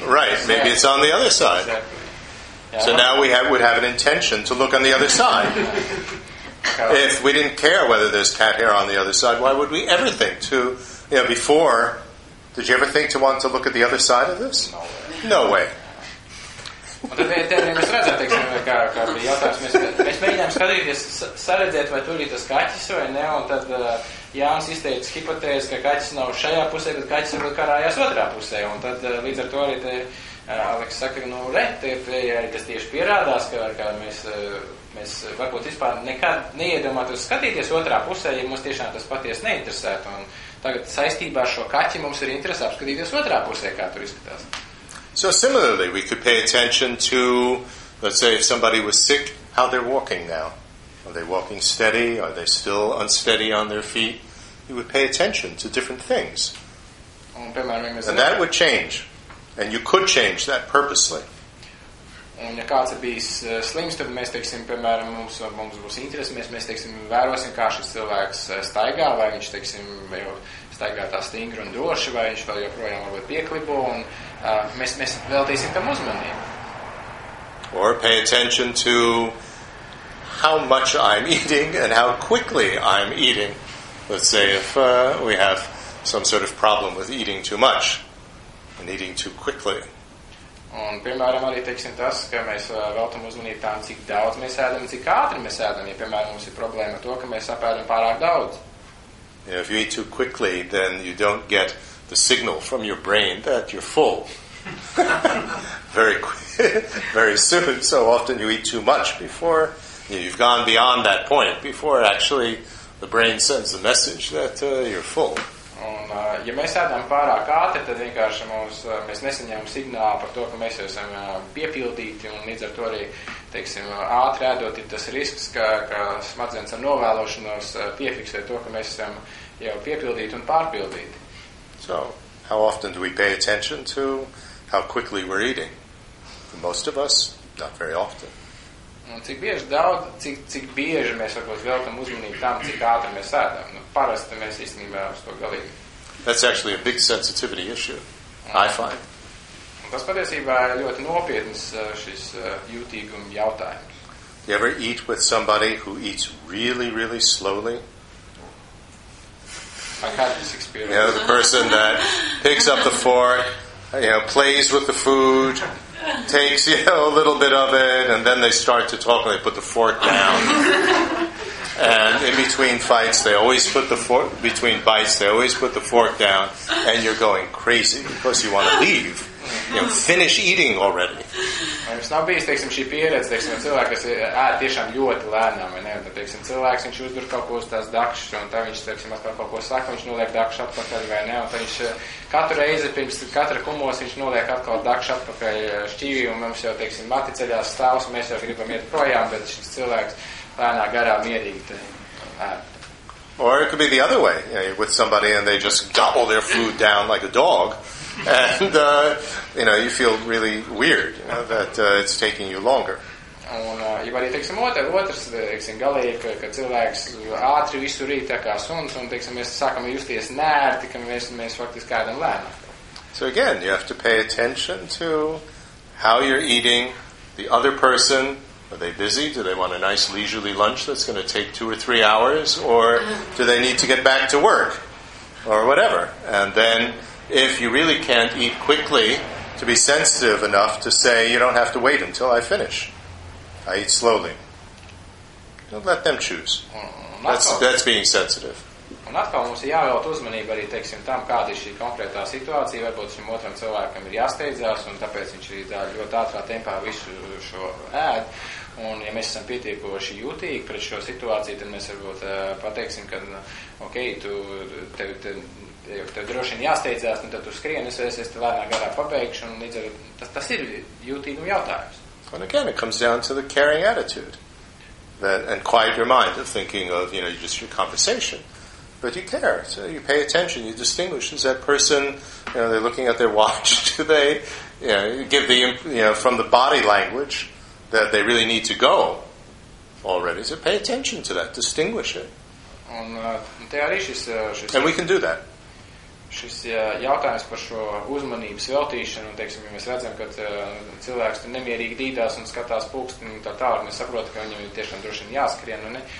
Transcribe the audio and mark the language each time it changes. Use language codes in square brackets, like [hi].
[en] Right, maybe it's on the other side. Exactly. Yeah. So now we would have an intention to look on the other side. If we didn't care whether there's cat hair on the other side, why would we ever think to, you know, before, did you ever think to want to look at the other side of this? No way. No way. [lv] Un tad mēs redzam, teiksim, kā bija jautājums, mēs mēģinām skatīties, saredzēt, vai tur ir tas kaķis vai ne, un tad Jānis izteica hipotēzi, ka kaķis nav šajā pusē, bet kaķis ir karājās otrā pusē, un tad līdz ar to arī te, Aleks saka, nu, re, te arī tas tieši pierādās, ka mēs varbūt vispār nekad neiedomāt uz skatīties otrā pusē, ja mums tiešām tas paties neinteresētu, un tagad saistībā ar šo kaķi mums ir interesē apskatīties otrā pusē, kā tur izskatās. [en] So similarly, we could pay attention to, let's say, if somebody was sick, how they're walking now. Are they walking steady? Are they still unsteady on their feet? You would pay attention to different things. [lv] Un, piemēram, ja mēs [en] and that would change. And you could change that purposely. [lv] Un, ja kāds ir bijis slims, tad mēs, teiksim, piemēram, mums būs interesi, mēs teiksim, vērosim, kā šis cilvēks staigā, vai viņš, teiksim, jau staigā tā stingri un droši, vai viņš vēl joprojām varbūt pieklibo, un mēs veltīsim tam uzmanību. [en] Or pay attention to how much I'm eating and how quickly I'm eating. Let's say if we have some sort of problem with eating too much and eating too quickly. [lv] Un, piemēram, arī teiksim tas, ka mēs veltam uzmanību tam, cik daudz mēs ēdam un cik ātri mēs ēdam, ja, piemēram, mums ir problēma to, ka mēs apēdam pārāk daudz. [en] If you eat too quickly, then you don't get the signal from your brain that you're full. Very quick, very soon. So often you eat too much before you've gone beyond that point, before actually the brain sends the message that you're full. [lv] Un, ja mēs ēdām pārāk ātri, tad vienkārši mums, mēs nesaņēmam signālu par to, ka mēs jau esam piepildīti un līdz ar to arī, teiksim, ātri ēdot ir tas risks, ka smadzenes ar novēlošanos piefiksē to, ka mēs esam jau piepildīti un pārpildīti. [en] So, how often do we pay attention to how quickly we're eating? For most of us, not very often. [lv] Un cik bieži daudz, cik bieži mēs varbūt veltam uzmanību tam, cik ātri mēs ēdam. Nu, parasti mēs īstenībā uz to galīgi. [en] That's actually a big sensitivity issue, I find. [lv] Un tas patiesībā ļoti nopietns šis jūtīguma jautājums. [en] Do you ever eat with somebody who eats really, really slowly? I had this experience. You know, the person that picks up the fork, you know, plays with the food, takes, you know, a little bit of it, and then they start to talk, and they put the fork down. And in between fights, they always put the fork, between bites, they always put the fork down, and you're going crazy, because you want to leave. You know, finish eating already. [lv] Jums nav bijis, teiksim, šī pieredze, teiksim, cilvēki, kas ēd tiešām ļoti lēnām, vai ne? Tad, teiksim, cilvēks, viņš uzdur kaut ko uz tās dakšas, un tad viņš, teiksim, atpār kaut ko saka, viņš noliek dakšu atpakaļ, vai ne? Un tad viņš katru reizi, pirms katra kumos, viņš noliek atkal dakšu atpakaļ šķīvī, un mums jau, teiksim, mati ceļās stāvs, un mēs jau gribam iet projām, bet šis cilvēks lēnā garā mierīgi te ēd. [en] Or it could be the other way, you know, with somebody and they just gobble their food down like a dog. And, you know, you feel really weird, you know, that it's taking you longer. [lv] Un, ja arī, teiksim, otrs, teiksim, galīgi, ka cilvēks ātri visu rīt tā kā suns, un, teiksim, mēs sākam justies nērti, ka mēs faktiski ēdam lēnāk. [en] So, again, you have to pay attention to how you're eating. The other person, are they busy? Do they want a nice leisurely lunch that's going to take 2 or 3 hours? Or do they need to get back to work? Or whatever. And then, if you really can't eat quickly, to be sensitive enough to say, you don't have to wait until I finish. I eat slowly. Don't let them choose. That's being sensitive. [lv] Un atkal mums ir jāvēlt uzmanība arī, teiksim, tam, kāda ir šī konkrētā situācija. Varbūt šim otram cilvēkam ir jāsteidzās, un tāpēc viņš arī dāļ ļoti ātrā tempā visu šo ēd. Un ja mēs esam pietiekoši jūtīgi pret šo situāciju, tad mēs varbūt pateiksim, ka, ok, tu tevi... Te, jo tev droši vien jāsteidzās, un tad tu skrienes, es te lēnā garā pabeigšu, un līdz ar tas ir jūtīguma jautājums. [en] And again, it comes down to the caring attitude that, and quiet your mind of thinking of, you know, just your conversation. But you care, so you pay attention, you distinguish. Is that person, you know, they're looking at their watch, do they, you know, give the, you know, from the body language that they really need to go already. So pay attention to that, distinguish it. [lv] Un te arī šis... [en] And we can do that. [lv] Šis jautājums par šo uzmanības veltīšanu, un, teiksim, ja mēs redzam, ka cilvēks tur nemierīgi dīdās un skatās pulksteni un tā tālāk, mēs saprotam, ka viņam ir tiešām droši vien jāskrien, un, ne?